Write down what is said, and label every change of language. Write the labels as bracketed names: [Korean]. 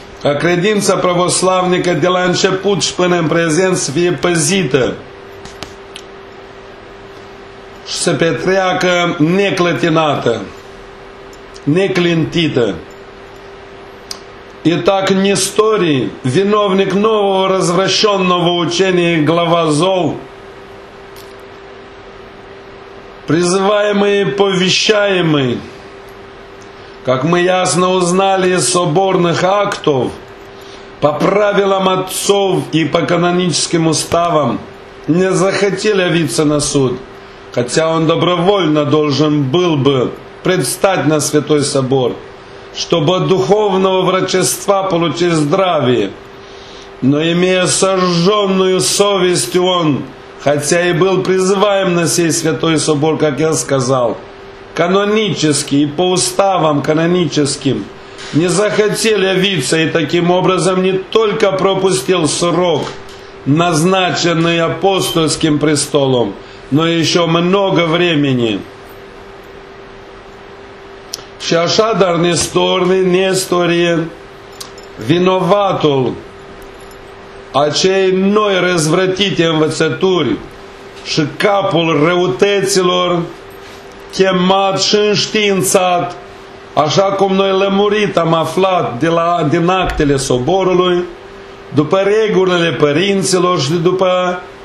[Romanian] credința pravoslavnică de la început și până în prezent să fie păzită și să petreacă neclătinată, neclintită. [Russian] И так Нестори, виновник нового развращенного учения глава Зол, призываемый и повещаемый, как мы ясно узнали из соборных актов, по правилам отцов и по каноническим уставам, не захотел явиться на суд, хотя он добровольно должен был бы предстать на Святой Собор, чтобы от духовного врачества получить здравие. Но имея сожженную совесть он, хотя и был призываем на сей святой собор, как я сказал, канонически и по уставам каноническим, не захотел явиться и таким образом не только пропустил срок, назначенный апостольским престолом, но еще много времени». [Romanian] Și așa, dar Nestorie, vinovatul acei noi răzvrătite învățături și capul răutăților, chemat și înștiințat, așa cum noi lămurit am aflat din actele soborului, după regulile părinților și după...